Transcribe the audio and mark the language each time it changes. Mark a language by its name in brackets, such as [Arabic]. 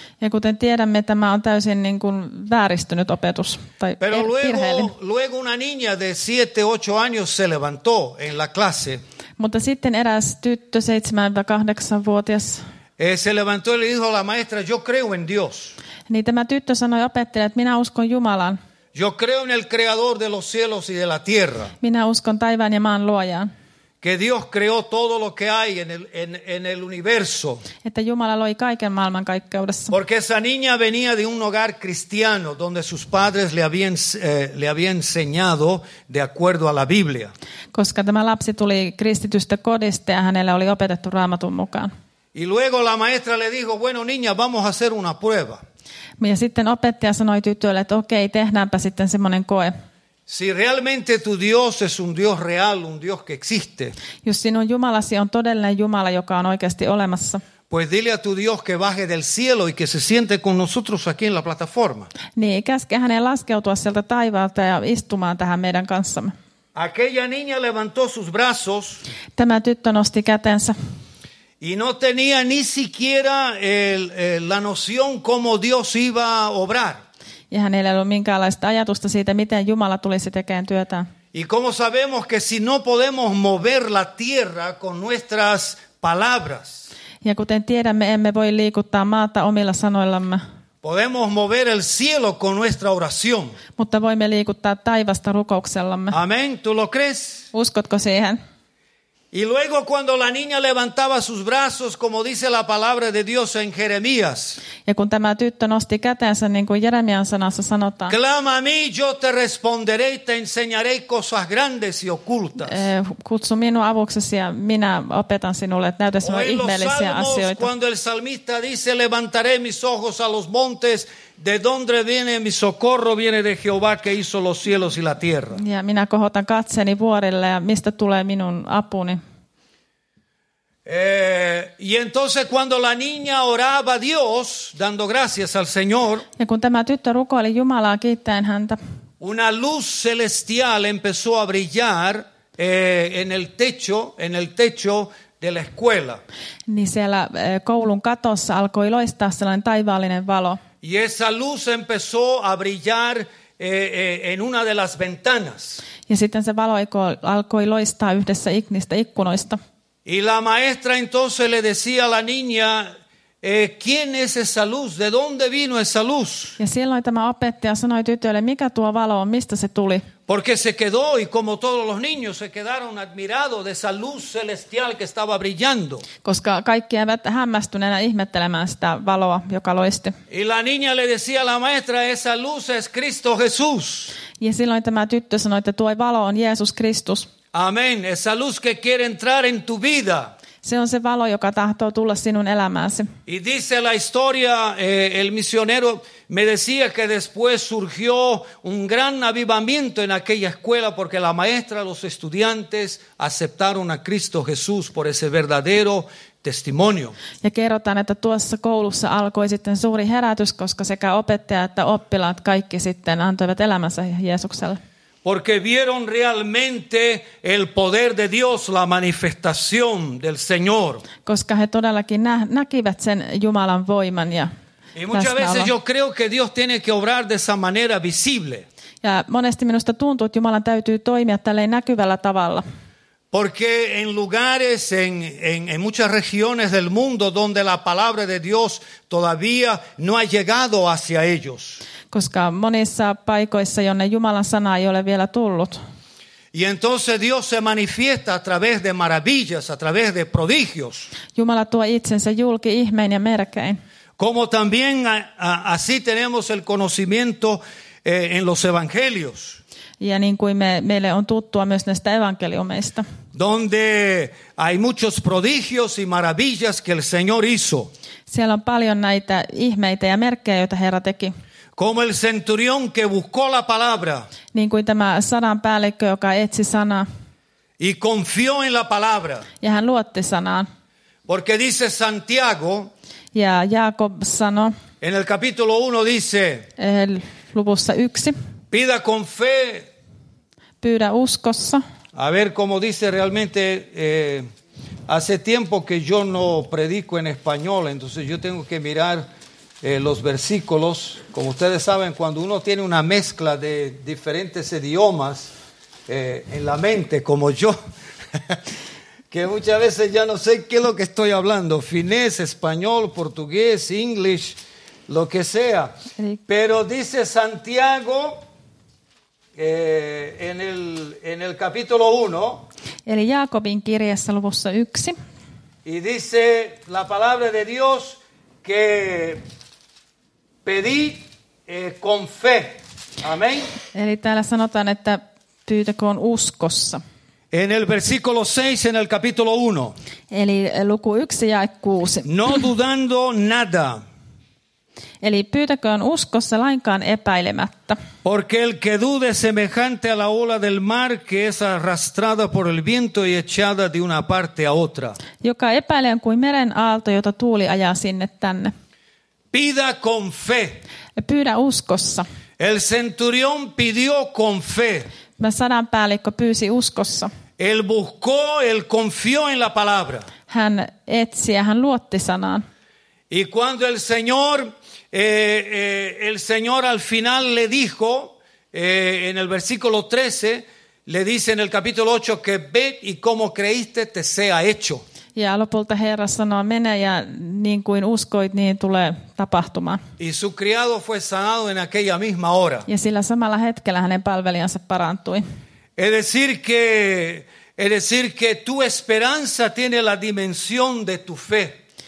[Finnish] Ja kuten tiedämme, tämä on täysin niin kuin vääristynyt opetus tai virheellinen. [Spanish] Luego una niña de 7-8 años se levantó en la clase. [Finnish] Mutta sitten eräs tyttö 7-8-vuotias. [Spanish] Se levantó y le dijo la maestra, yo creo en Dios. [Finnish] Niin tämä tyttö sanoi opettajalle, että minä uskon Jumalaan. [Spanish] Yo creo en el creador de los cielos y de la tierra. [Finnish] Minä uskon taivaan ja maan luojaan. [Spanish] Que Dios creó todo lo que hay en el universo. [Finnish] Että Jumala loi kaiken maailman kaikkeudessa. [Spanish] Porque esa niña venía de un hogar cristiano donde sus padres le había enseñado de acuerdo a la Biblia. [Finnish] Koska tämä lapsi tuli kristitystä kodista ja hänelle oli opetettu Raamatun mukaan. [Spanish] Y luego la maestra le dijo, bueno niña, vamos a hacer una prueba. [Finnish] Ja sitten opettaja sanoi tytölle, että okei, tehdäänpä sitten semmoinen koe. [Spanish] Si realmente tu Dios es un Dios real, un Dios que existe. [Finnish] Jos sinun Jumalasi on todellinen Jumala, joka on oikeasti olemassa. [Spanish] Pues dile a tu Dios que baje del cielo y que se siente con nosotros aquí en la plataforma. [Finnish] Niin, käske hänen laskeutua sieltä taivaalta ja istumaan tähän meidän kanssamme. [Spanish] Aquella niña levantó sus brazos. [Finnish] Tämä tyttö nosti kätensä. [Spanish] Y no tenía ni siquiera la noción cómo Dios iba a obrar. [Finnish] Ja hänellä ei ollut minkäänlaista ajatusta siitä, miten Jumala tulisi tekemään työtään. [Spanish] Y cómo sabemos que si no podemos mover la tierra con nuestras palabras. [Finnish] Ja kuten tiedämme, emme voi liikuttaa maata omilla sanoillamme. [Spanish] Podemos mover el cielo con nuestra oración. [Finnish] Mutta voimme liikuttaa taivasta rukouksellamme. [Spanish] Amén, ¿tú lo crees? [Finnish] Uskotko siihen? [Spanish] Y luego cuando la niña levantaba sus brazos, como dice la palabra de Dios en Jeremías. [Finnish] Ja kun tämä tyttö nosti kätensä, niin kuin Jeremian sanassa sanotaan. [Spanish] Clama a mí, yo te responderé y te enseñaré cosas grandes y ocultas. [Finnish] Kutsu minua avuksesi ja minä opetan sinulle, että näytä sinulle ihmeellisiä asioita. [Spanish] Cuando el salmista dice, levantaré mis ojos a los montes, de donde viene mi socorro, viene de Jehová que hizo los cielos y la tierra. [Finnish] Ja minä kohotan katseeni vuorille ja mistä tulee minun apuni. [Spanish] Y entonces cuando la niña oraba a Dios, dando gracias al Señor, [Finnish] ja kun tämä tyttö rukoili Jumalaa kiittäen häntä, [Spanish] una luz celestial empezó a brillar en el techo de la escuela. [Finnish] Niin siellä koulun katossa alkoi loistaa sellainen taivaallinen valo. [Spanish] Y esa luz empezó a brillar en una de las ventanas. [Finnish] Ja sitten se valo alkoi loistaa yhdessä niistä ikkunoista. [Spanish] Y la maestra entonces le decía a la niña, ¿quién es esa luz? ¿De dónde vino esa luz? [Finnish] Ja silloin tämä opettaja sanoi tytölle, mikä tuo valo on, mistä se tuli? [Spanish] Porque se quedó y como todos los niños se quedaron admirados de esa luz celestial que estaba brillando. [Finnish] Koska kaikki eivät hämmästyneenä ihmettelemään sitä valoa, joka loisti. [Spanish] Y la niña le decía a la maestra, esa luz es Cristo Jesús. [Finnish] Ja silloin tämä tyttö sanoi, että tuo valo on Jeesus Kristus. [Spanish] Amén, esa luz que quiere entrar en tu vida. [Finnish] Se on se valo, joka tahtoo tulla sinun elämääsi. [Spanish] Y dice la historia, el misionero me decía que después surgió un gran avivamiento en aquella escuela porque la maestra, los estudiantes aceptaron a Cristo Jesús por ese verdadero testimonio. [Finnish] Ja kerrotaan, että tuossa koulussa alkoi sitten suuri herätys, koska sekä opettaja että oppilaat kaikki sitten antoivat elämänsä Jeesukselle. [Spanish] Porque vieron realmente el poder de Dios, la manifestación del Señor. [Finnish] Koska he todellakin näkivät sen Jumalan voiman ja [Spanish] y muchas [Finnish] läsnäolo. [Spanish] Veces yo creo que Dios tiene que obrar de esa manera visible. [Finnish] Ja monesti minusta tuntuu, että Jumalan täytyy toimia tälleen näkyvällä tavalla. [Spanish] Porque en lugares, en muchas regiones del mundo donde la palabra de Dios todavía no ha llegado hacia ellos. [Finnish] Koska monissa paikoissa, jonne Jumalan sana ei ole vielä tullut. [Spanish] Y entonces Dios se manifiesta a través de maravillas, a través de prodigios. [Finnish] Jumala tuo itsensä julki ihmein ja merkein. [Spanish] Como también así tenemos el conocimiento en los evangelios. [Finnish] Ja niin kuin meille on tuttua myös näistä evankeliumeista. [Spanish] Donde hay muchos prodigios y maravillas que el Señor hizo. [Finnish] Siellä on paljon näitä ihmeitä ja merkkejä, joita Herra teki. [Spanish] Como el centurión que buscó la palabra. [Finnish] Niin kuin tämä sadan päällikkö, joka etsi sanaa. [Spanish] Y confió en la palabra. [Finnish] Ja hän luotti sanaan. [Spanish] Porque dice Santiago. [Finnish] Ja Jaakob sanoi. [Spanish] En el capítulo 1 dice. [Finnish] Luvussa 1. [Spanish] Pida con fe. [Finnish] Pyydä uskossa. [Spanish] A ver como dice realmente. Hace tiempo que yo no predico en español. Entonces yo tengo que mirar. Los versículos, como ustedes saben, cuando uno tiene una mezcla de diferentes idiomas en la mente, como yo, que muchas veces ya no sé qué es lo que estoy hablando, finés, español, portugués, inglés, lo que sea. Pero dice Santiago en el capítulo 1. [Finnish] Eli Jaakobin kirjassa luvussa 1. [Spanish] Y dice la palabra de Dios que pedí con fe. Amén. [Finnish] Eli täällä sanotaan, että pyytäköön uskossa. [Spanish] En el versículo 6 en el capítulo 1. [Finnish] Eli luku 1 ja 6. [Spanish] No dudando nada. [Finnish] Eli pyytäköön uskossa lainkaan epäilemättä. [Spanish] Porque el que dude semejante a la ola del mar que es arrastrada por el viento y echada de una parte a otra. [Finnish] Joka epäilee kuin meren aalto, jota tuuli ajaa sinne tänne. [Spanish] Pida con fe. [Finnish] Pyydä uskossa. [Spanish] El centurión pidió con fe. [Finnish] Mä sadan päällikkö pyysi uskossa. [Spanish] El buscó, el confió en la palabra. [Finnish] Hän etsi ja hän luotti sanaan. [Spanish] Y cuando el Señor al final le dijo, en el versículo 13, le dice en el capítulo 8 que ve y como creíste te sea hecho. [Finnish] Ja lopulta Herra sanoo, mene ja niin kuin uskoit, niin tulee tapahtumaan. [Spanish] Y su criado fue sanado en aquella misma hora. [Finnish] Ja sillä samalla hetkellä hänen palvelijansa parantui. [Spanish] Es decir que Es decir que tu esperanza tiene la dimensión de tu fe.